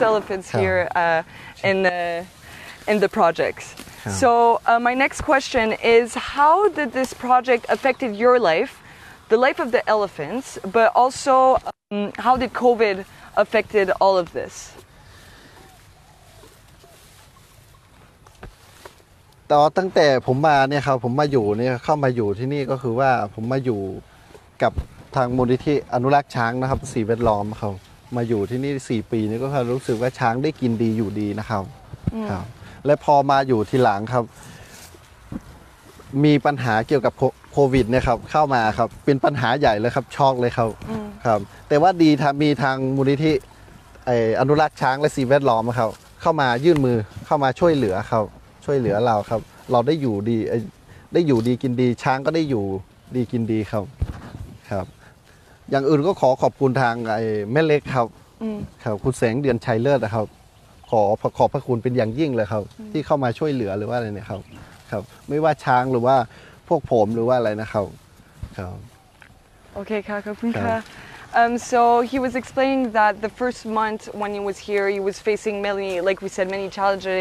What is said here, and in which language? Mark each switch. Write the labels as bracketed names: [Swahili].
[English] elephants here in the projects. Yeah. So my next question is, how did this project affected your life, the life of the elephants, but also how did COVID affected all of this? [Thai] ตั้งแต่ผมมาเนี่ยครับผมมาอยู่เนี่ยเข้ามาอยู่ที่นี่ก็คือว่าผมมาอยู่กับทางมูลนิธิอนุรักษ์ช้างนะครับสิ่งแวดล้อมครับมาอยู่ที่นี่4ปีนี่ก็รู้สึกว่าช้างได้กินดีอยู่ดีนะครับครับและพอมาอยู่ทีหลังครับ มีปัญหาเกี่ยวกับโควิดเนี่ยครับเข้ามาครับเป็นปัญหาใหญ่เลยครับช็อกเลยครับครับแต่ว่าดีถ้ามีทางมูลนิธิอนุรักษ์ช้างและสิ่งแวดล้อมครับเข้ามายื่นมือเข้ามาช่วยเหลือครับช่วยเหลือเราครับเราได้อยู่ดีกินดีช้างก็ได้อยู่ดีกินดีครับครับอย่างอื่นก็ขอขอบคุณทางไอ้แม่เล็กครับครับคุณแสงเดือนชัยเลิศนะครับขอพระคุณเป็นอย่างยิ่งเลยครับที่เข้ามาช่วยเหลือหรือว่าอะไรเนี่ยครับครับไม่ว่าช้างหรือว่าพวกผมหรือว่าอะไรนะครับครับ โอเคค่ะขอบคุณค่ะ [English] so he was explaining that the first month when he was here he was facing many, like we said, many challenges.